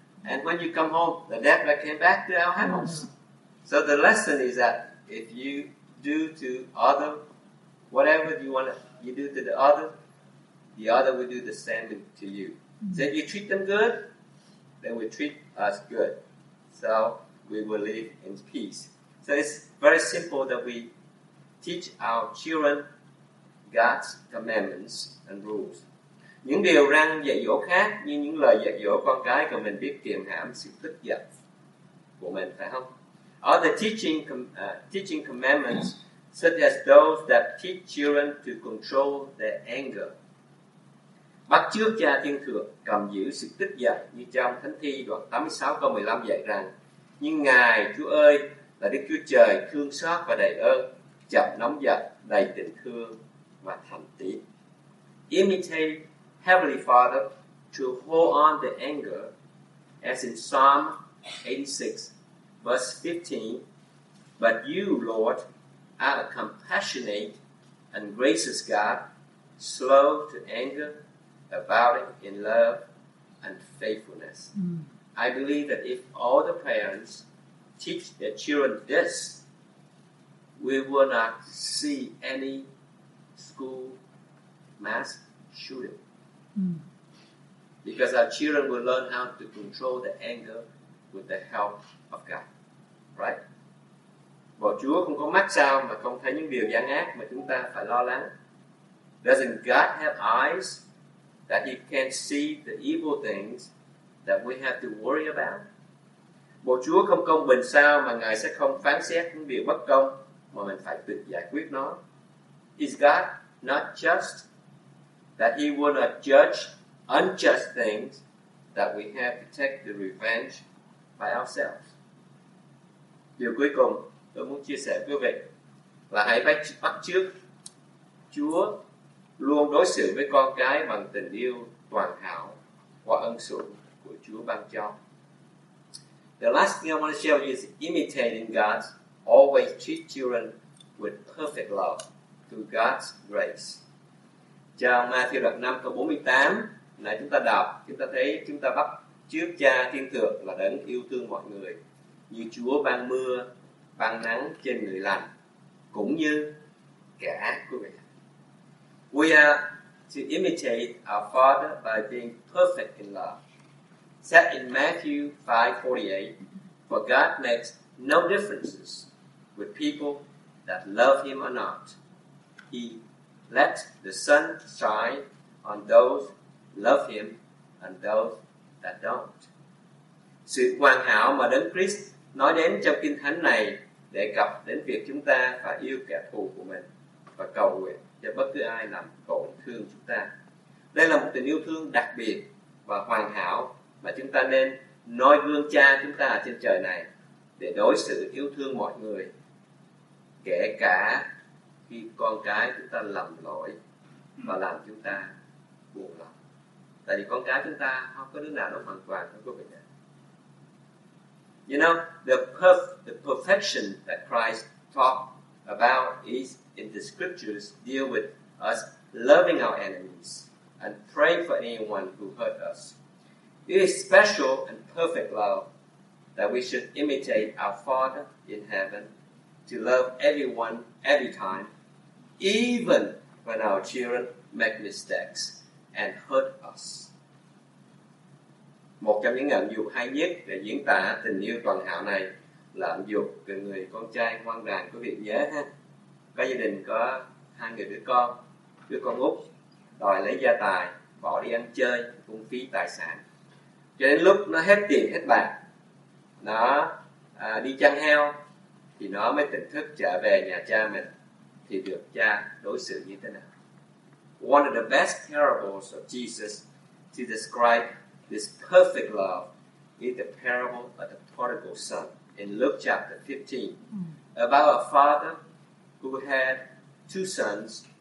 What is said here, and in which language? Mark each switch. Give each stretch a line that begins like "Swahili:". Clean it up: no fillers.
English: And when you come home, the dead rat came back to our house. So the lesson is that if you do to other, whatever you want to you do to the other will do the same to you. So if you treat them good, they will treat us good. So we will live in peace. So it's very simple that we teach our children God's commandments and rules.
Vietnamese: Những điều răn dạy dỗ khác như những lời dạy dỗ con cái của mình biết kiềm hãm sự tức giận của mình, phải không?
English: Are the teaching commandments such as those that teach children to control their anger?
Vietnamese: Bắt chước cha thiên thượng cầm giữ sự tức giận như trong Thánh Thi đoạn 86 câu 15 dạy rằng: Nhưng Ngài, Chúa ơi, là Đức Chúa Trời thương xót và đầy ơn, chậm nóng giận, đầy tình thương và thành tín.
English: Imitate Heavenly Father to hold on the anger, as in Psalm 86, verse 15, but you, Lord, are a compassionate and gracious God, slow to anger, abounding in love and faithfulness. I believe that if all the parents teach their children this, we will not see any school mass shooting. Because our children will learn how to control the anger with the help of God. Right?
Vietnamese: Bỏ Chúa không có mắt sao mà không thấy những điều gian ác mà chúng ta phải lo lắng.
English: Doesn't God have eyes that you can see the evil things that we have to worry about.
Vietnamese: Bộ Chúa không công bình sao mà Ngài sẽ không phán xét những điều bất công mà mình phải tự giải quyết nó?
English: Is God not just that He will not judge unjust things that we have to take the revenge by ourselves?
Vietnamese: Điều cuối cùng tôi muốn chia sẻ với quý vị là hãy bắt chước Chúa luôn đối xử với con cái bằng tình yêu toàn hảo qua ân sủng của Chúa ban cho.
English: The last thing I want to show you is imitating God's always treat children with perfect love through God's grace.
Vietnamese: Trong Matthew đoạn 5 câu 48 này chúng ta đọc, chúng ta thấy chúng ta bắt chước Cha Thiên Thượng là đấng yêu thương mọi người, như Chúa ban mưa, ban nắng trên người lành, cũng như kẻ ác của mình.
English: We are to imitate our Father by being perfect in love. Set in Matthew 5:48, for God makes no differences with people that love Him or not. He lets the sun shine on those love Him and those that don't.
Vietnamese: Sự hoàn hảo mà Đấng Christ nói đến trong Kinh Thánh này đề cập đến việc chúng ta phải yêu kẻ thù của mình và cầu nguyện cho bất cứ ai làm tổn thương chúng ta. Đây là một tình yêu thương đặc biệt và hoàn hảo mà chúng ta nên noi gương Cha chúng ta trên trời này để đối xử yêu thương mọi người, kể cả khi con cái chúng ta lầm lỗi và làm chúng ta buồn lòng. Tại vì con cái chúng ta không có đứa nào nó hoàn toàn không có việc này.
English: You know, the perfection that Christ talked about is in the scriptures deal with us loving our enemies and praying for anyone who hurt us. It is special and perfect love that we should imitate our Father in heaven to love everyone every time, even when our children make mistakes and hurt us.
Vietnamese: Một trong những ẩn dụ hay nhất để diễn tả tình yêu toàn hảo này là ẩn dụ về người con trai ngoan đàn, quý vị nhớ ha. Có gia đình có hai người đứa con út đòi lấy gia tài, bỏ đi ăn chơi, phung phí tài sản. Cho đến lúc nó hết tiền, hết bạc, nó đi chăn heo, thì nó mới tỉnh thức trở về nhà cha mình, thì được cha đối xử như thế nào?
English: One of the best parables of Jesus to describe this perfect love is the parable of the prodigal son in Luke chapter 15, about a father who had two sons.